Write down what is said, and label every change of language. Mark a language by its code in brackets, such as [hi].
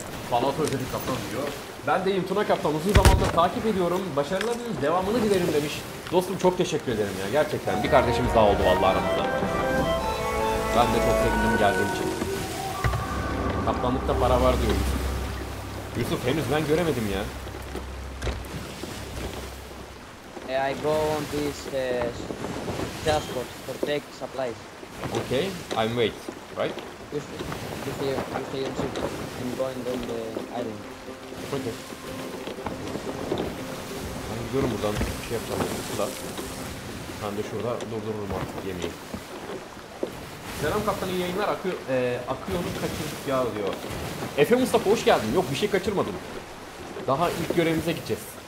[tr] Fallout özeti kaptan diyor. Ben de İmtuna kaptan, uzun zamandır takip ediyorum. Başarılar diliyorum, devamını dilerim demiş. Dostum çok teşekkür ederim ya, gerçekten. Bir kardeşimiz daha oldu vallahi aramızda. Ben de çok sevindim geldiğim için. Kaptanlıkta para var diyor Yusuf. Yusuf henüz ben göremedim ya. [en] I go on this transport to take supplies. Okay, I'm wait, right? You stay on ship and go on the island. Okay. [tr] Ben gidiyorum buradan, bir şey yapacağım burada. Ben de şurada durdururum artık yemeği. Selam kaptan, iyi yayınlar. Akıyor'u kaçırdık ya diyor. Efe Mustafa hoş geldin. Yok, bir şey kaçırmadım. Daha ilk görevimize gideceğiz.